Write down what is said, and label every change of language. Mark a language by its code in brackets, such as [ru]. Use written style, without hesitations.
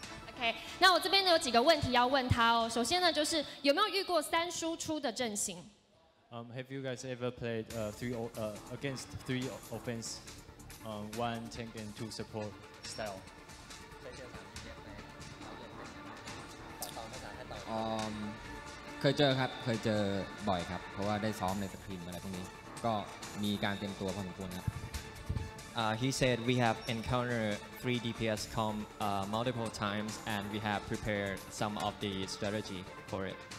[zh] Okay, 那我这边有几个问题要问他哦。首先呢，就是有没有遇过三输出的阵型？ [en] Have you guys ever played against three offense, one tank and two support style? [th] เคยเจอครับเคยเจอบ่อยครับเพราะว่าได้ซ้อมในสกรีนอะไรพวกนี้ก็มีการเตรียมตัวพอสมควรครับ [en] He said we have encountered three DPS comp multiple times and we have prepared some of the strategy for it.